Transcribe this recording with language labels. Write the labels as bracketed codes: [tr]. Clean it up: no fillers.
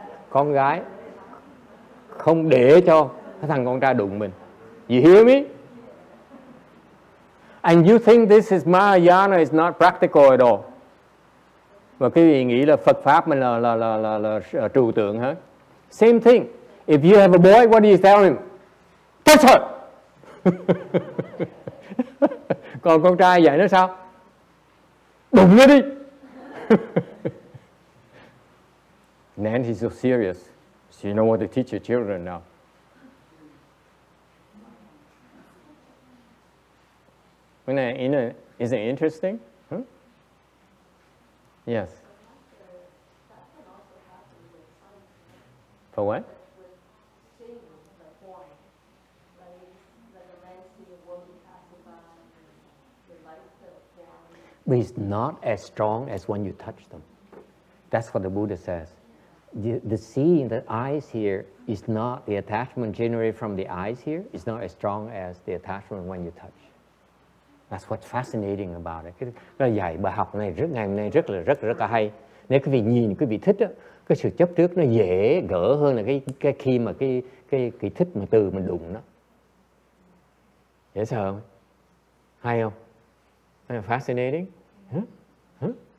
[vi] Con gái không để cho thằng con trai đụng mình. [en] You hear me? And you think this is Mahayana is not practical at all. [vi] Và quý vị nghĩ là Phật pháp mình là trừu tượng hả? [en] Same thing. If you have a boy, what do you tell him? Touch her. [vi] Còn con trai dạy nó sao? Đụng nó đi. [en] Nancy is so serious. She don't want to teach her children now. Is it interesting? Hmm? Yes. For what? But it's not as strong as when you touch them. That's what the Buddha says. The seeing, the eyes here, is not the attachment generated from the eyes here. It's not as strong as the attachment when you touch. That's what's fascinating about it. [vi] Cái dạy bài học này rất ngày hôm nay rất là hay. Nếu quý vị nhìn, quý vị thích, cái sự chấp trước nó dễ gỡ hơn là cái khi mà cái thích mà từ mình đụng nó. Dễ sợ không? Hay không? Fascinating. Huh? Huh?